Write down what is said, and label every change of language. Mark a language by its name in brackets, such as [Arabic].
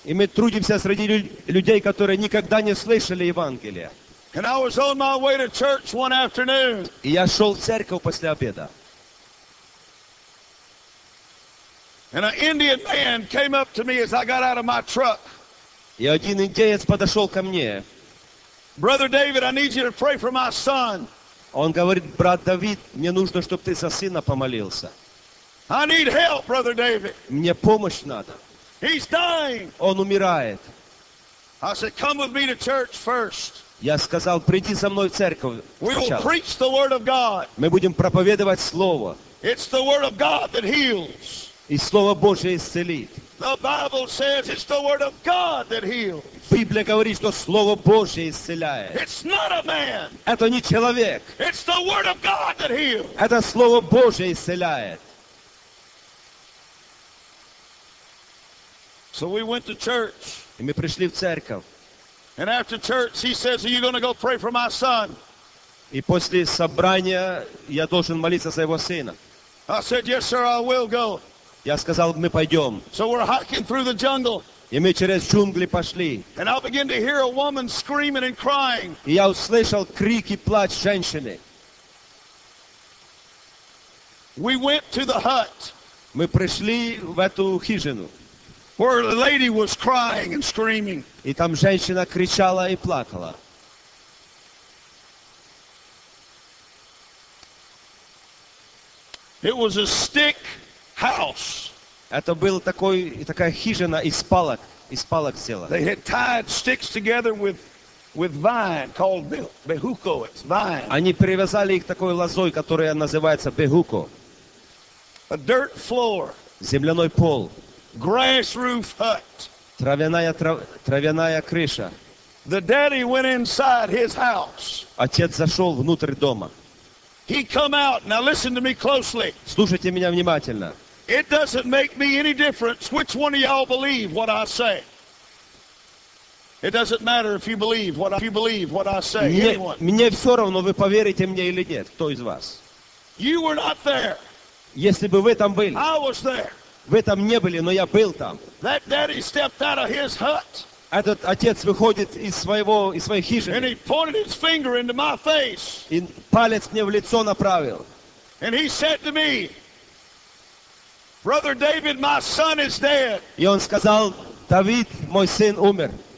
[Russian] И мы трудимся среди людей, которые никогда не слышали Евангелия. [English] And I was on my way to church one afternoon. [Russian] И я шел в церковь после обеда. [English] And an Indian man came up to me as I got out of my truck. [Russian] И один индеец подошел ко мне. [English] Brother David, I need you to pray for my son. [Russian] Он говорит, брат Давид, мне нужно, чтобы ты за сына помолился. [English] I need help, brother David. [Russian] Мне помощь надо. [English] He's dying. [Russian] Он умирает. [English] I said, come with me to church first. [Russian] Я сказал, приди со мной в церковь. [English] We will preach the word of God. [Russian] Мы будем проповедовать слово. [English] It's the word of God that heals. [Russian] И слово Божье исцелит. [English] The Bible says it's the word of God that heals. [Russian] Библия говорит, что слово Божье исцеляет. [English] It's not a man. [Russian] Это не человек. [English] It's the word of God that heals. [Russian] Это слово Божье исцеляет. [English] So we went to church. [Russian] И мы пришли в церковь. [English] And after church, he says, "Are you going to go pray for my son?" [Russian] И после собрания я должен молиться за его сына. [English] I said, "Yes, sir, I will go." [Russian] Я сказал, мы пойдем. [English] So we're hiking through the jungle. [Russian] И мы через джунгли пошли. [English] And I began to hear a woman screaming and crying. [Russian] И я услышал крик и плач женщины. [English] We went to the hut. [Russian] Мы пришли в эту хижину. [English] Where the lady was crying and screaming. [Russian] И там женщина кричала и плакала. [English] It was a stick house. [Russian] Это был такой, такая хижина из палок сделана. [English] They had tied sticks together with vine called bejuco. It's vine. [Russian] Они привязали их такой лозой, которая называется bejuco. [English] A dirt floor. [Russian] Земляной пол. [English] Grass roof hut. [Russian] Травяная крыша. [English] The daddy went inside his house. [Russian] Отец зашел внутрь дома. [English] He come out. Now listen to me closely. [Russian] Слушайте меня внимательно. [English] It doesn't make me any difference which one of y'all believe what I say. It doesn't matter if you believe what I say. [Russian] Мне все равно, вы поверите мне или нет, кто из вас. [English] You were not there. [Russian] Если бы вы там были. [English] I was there. [Russian] Вы там не были, но я был там. [English] That daddy stepped out of his hut. [Russian] Этот отец выходит из своей хижины. [English] And he pointed his finger into my face. [Russian] И палец мне в лицо направил. [English] And he said to me, Brother David, my son is dead. [Russian] И он сказал, Давид, мой сын умер.